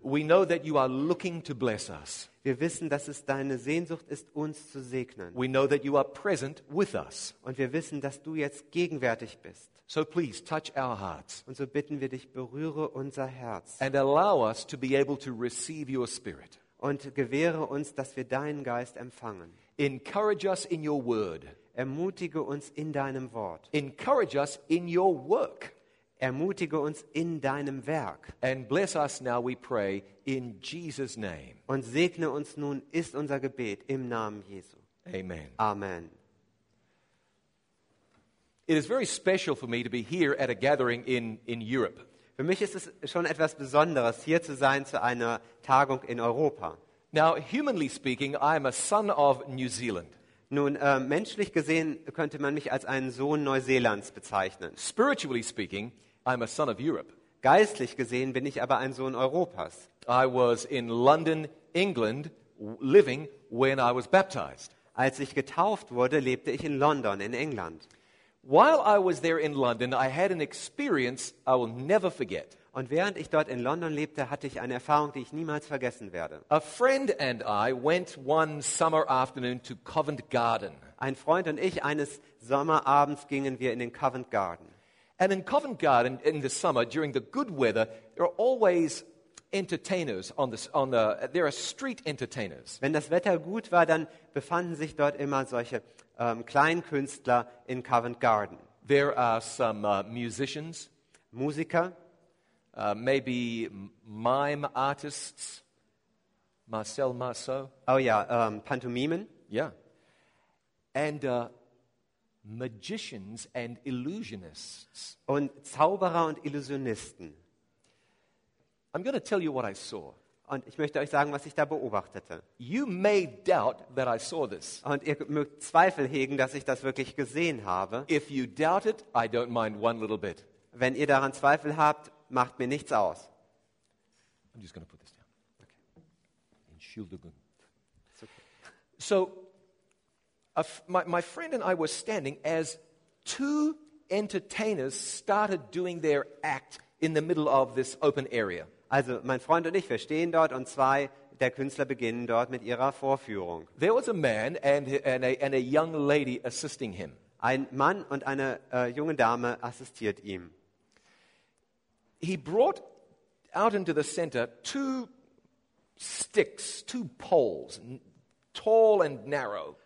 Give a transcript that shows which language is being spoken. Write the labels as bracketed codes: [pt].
[en] We know that you are looking to bless us. [de] Wir wissen, dass es deine Sehnsucht ist, uns zu segnen. [en] We know that you are present with us. [de] Und wir wissen, dass du jetzt gegenwärtig bist. [en] So please touch our hearts. [de] Und so bitten wir dich, berühre unser Herz. [en] And allow us to be able to receive your spirit. [de] Und gewähre uns, dass wir deinen Geist empfangen. [en] Encourage us in your word. [de] Ermutige uns in deinem Wort. [en] Encourage us in your work. [de] Ermutige uns in deinem Werk. [en] And bless us now, we pray, in Jesus' name. [de] Und segne uns nun, ist unser Gebet, im Namen Jesu. [en] Amen. [de] Amen. [en] It is very special for me to be here at a gathering in Europe. [de] Für mich ist es schon etwas Besonderes, hier zu sein zu einer Tagung in Europa. [en] Now, humanly speaking, I am a son of New Zealand. [de] Nun, menschlich gesehen könnte man mich als einen Sohn Neuseelands bezeichnen. [en] Spiritually speaking, I'm a son of Europe. [de] Geistlich gesehen bin ich aber ein Sohn Europas. [en] I was in London, England, living when I was baptized. [de] Als ich getauft wurde, lebte ich in London, in England. [en] While I was there in London, I had an experience I will never forget. [de] Und während ich dort in London lebte, hatte ich eine Erfahrung, die ich niemals vergessen werde. [en] A friend and I went one summer afternoon to Covent Garden. [de] Ein Freund und ich eines Sommerabends gingen wir in den Covent Garden. [en] And in Covent Garden in the summer during the good weather, there are always entertainers there are street entertainers. [de] Wenn das Wetter gut war, dann befanden sich dort immer solche Kleinkünstler in Covent Garden. [en] There are some musicians. [de] Musiker. [en] Maybe mime artists, Marcel Marceau. Oh yeah, [de] pantomimen. [en] Yeah. And magicians and illusionists. [de] Und Zauberer und Illusionisten. [en] I'm going to tell you what I saw. [de] Und ich möchte euch sagen, was ich da beobachtete. [en] You may doubt that I saw this. [de] Und ihr mögt Zweifel hegen, dass ich das wirklich gesehen habe. [en] If you doubt it, I don't mind one little bit. [de] Wenn ihr daran Zweifel habt, macht mir nichts aus. [en] I'm just gonna put this down. Okay. [de] Entschuldigung. [en] It's okay. So, my friend and I were standing as two entertainers started doing their act in the middle of this open area. [de] Also mein Freund und ich, wir stehen dort und zwei der Künstler beginnen dort mit ihrer Vorführung. [en] There was a man and a young lady assisting him. [de] Ein Mann und eine junge Dame assistiert ihm. [en] He brought out into the center two sticks, two poles, tall and narrow.